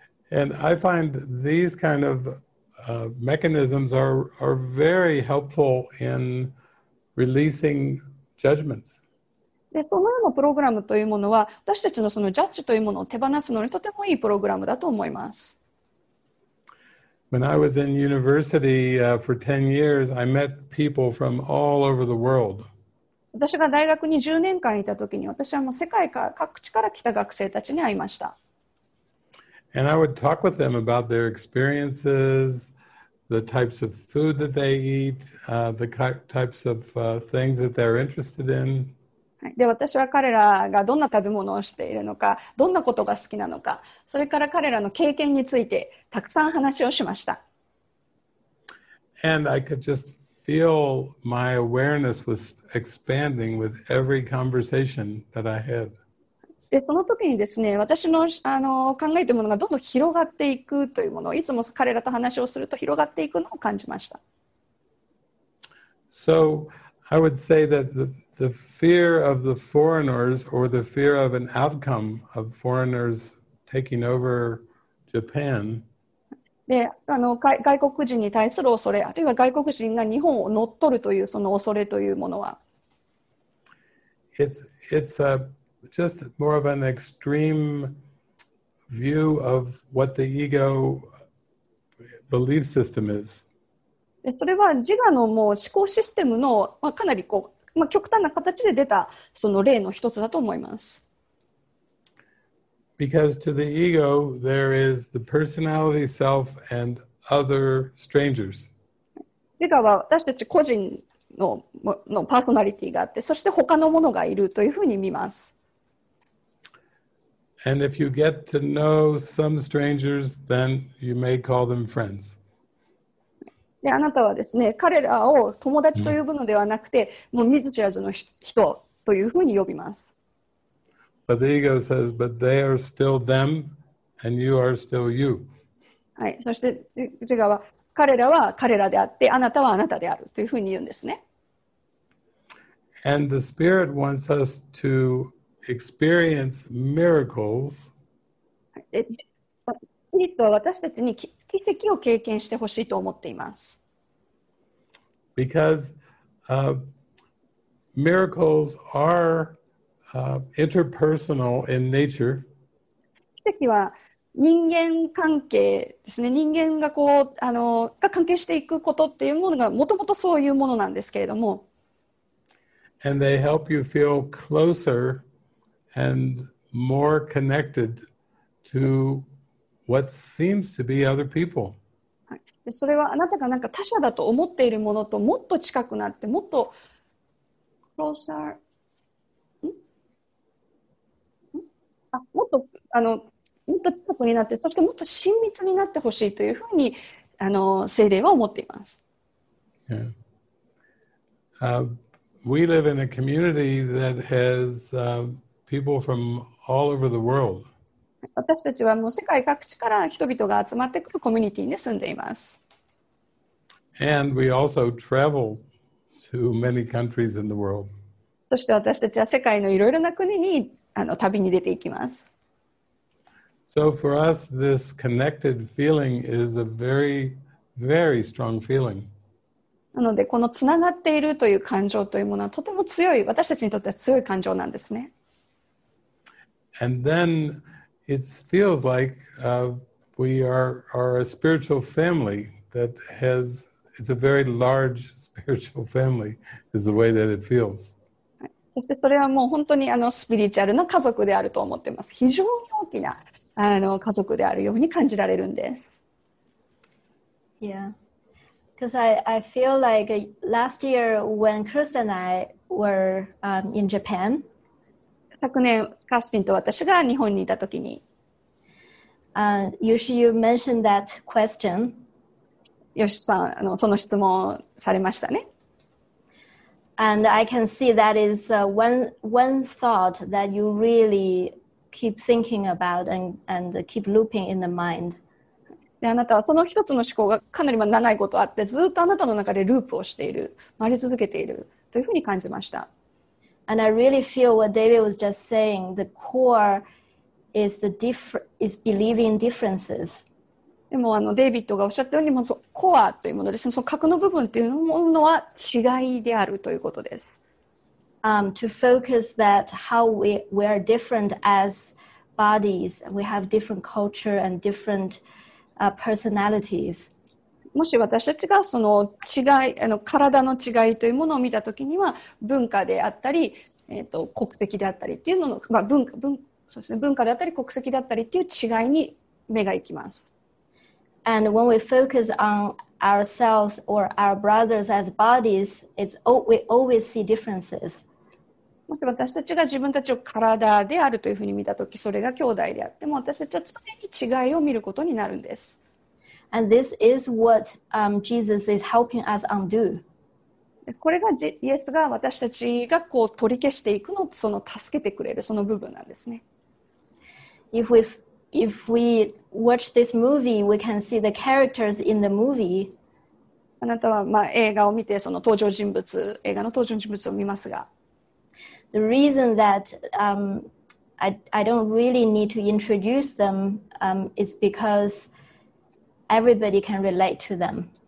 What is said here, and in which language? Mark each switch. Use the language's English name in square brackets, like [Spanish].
[English] And I find these kind of mechanisms are very helpful in releasing judgments. [Japanese] でそのようなプログラムというものは私たちのそのジャッジというものを手放すのにとてもいいプログラムだと思います。 [English] When I was in university for 10 years, I met people from all over the world. [Japanese] 私が大学に10年間いた時に、私はもう世界各地から来た学生たちに会いました。 [English] And I would talk with them about their experiences, the types of food that they eat, the types of things that they're interested in. [Japanese] で、私は彼らがどんな食べ物をしているのか、どんなことが好きなのか、それから彼らの経験についてたくさん話をしました。 [English] And I could just feel my awareness was expanding with every conversation that I had. [Japanese] でその時にですね、私の、考えているものがどんどん広がっていくというものを、いつも彼らと話をすると広がっていくのを感じました。 [English] So, I would say that the fear of the foreigners or the fear of an outcome of foreigners taking over Japan [Japanese] で外国人に対する恐れ、あるいは外国人が日本を乗っ取るというその恐れというものは [English] It's a just more of an extreme view of what the ego belief system is. [Japanese] でそれは自我のもう思考システムの、まあ、かなりこう、まあ、極端な形で出たその例の一つだと思います。 [English] Because to the ego, there is the personality self and other strangers. [Japanese] 自我は私たち個人 のパーソナリティがあって、そして他のものがいるというふうに見ます。 [English] And if you get to know some strangers, then you may call them friends. [Japanese] で、あなたはですね、彼らを友達と呼ぶのではなくて、もう見ず知らずの人というふうに呼びます。 [English] But the ego says, but they are still them, and you are still you. [Japanese] はい、そして自我は、彼らは彼らであって、あなたはあなたであるというふうに言うんですね。 [English] And the spirit wants us to experience miracles. [Japanese] スピリットは私たちに奇跡を経験してほしいと思っています。 [English] Because miracles are interpersonal in nature. [Japanese] 奇跡は人間関係ですね。人間がこうが関係していくことっていうものがもともとそういうものなんですけれども。 [English] And they help you feel closer. And more connected to what seems to be other people. [Japanese] それはあなたがなんか他者だと思っているものともっと近くなってもっと closer もっと近くになってそしてもっと親密になってほしいというふうに精霊は思っています。 [English] We live in a community that has people from all over the world. [Japanese] 私たちはもう世界各地から人々が集まってくるコミュニティに住んでいます。 [English] And we also travel to many countries in the world. [Japanese] そして私たちは世界のいろいろな国に旅に出ていきます。 [English] So for us, this connected feeling is a very, very strong feeling. [Japanese] なのでこのつながっているという感情というものはとても強い、私たちにとっては強い感情なんですね。 [English] And then it feels like we are a spiritual family that has, it's a very large spiritual family is the way that it feels. [Japanese] そしてそれはもう本当にスピリチュアルな家族であると思ってます。非常に大きな家族であるように感じられるんです。 [English] Yeah. Because I feel like last year when Chris and I were in Japan, [Japanese] 昨年、カスティンと私が日本にいたときに、 [English] You mentioned that question. [Japanese] ヨシさん、その質問されましたね。 [English] And I can see that is one thought that you really keep thinking about and keep looping in the mind. [Japanese] で、あなたはその一つの思考がかなり長いことあって、ずっとあなたの中でループをしている、回り続けているというふうに感じました。 [English] And I really feel what David was just saying, the core is the is believing differences. [Japanese] でもデイビッドがおっしゃったように、まずコアというものですね、その核の部分というものは違いであるということです。 [English] To focus that how we are different as bodies, we have different culture and different personalities. [Japanese] もし私たちがその違い、体の違いというものを見たときには、文化であったり、国籍であったりっていうのの、まあ そうですね、文化であったり国籍であったりっていう違いに目が行きます。 [English] And when we focus on ourselves or our brothers as bodies, we always see differences. [Japanese] もし私たちが自分たちを体であるというふうに見たとき、それが兄弟であっても、私たちは常に違いを見ることになるんです。 [English] And this is what Jesus is helping us undo. [Japanese] これがイエスが私たちがこう取り消していくのをその助けてくれるその部分なんですね。 [English] If we watch this movie, we can see the characters in the movie. [Japanese] あなたはまあ映画を見てその登場人物、映画の登場人物を見ますが。 [English] The reason that I don't really need to introduce them is because everybody can relate to them.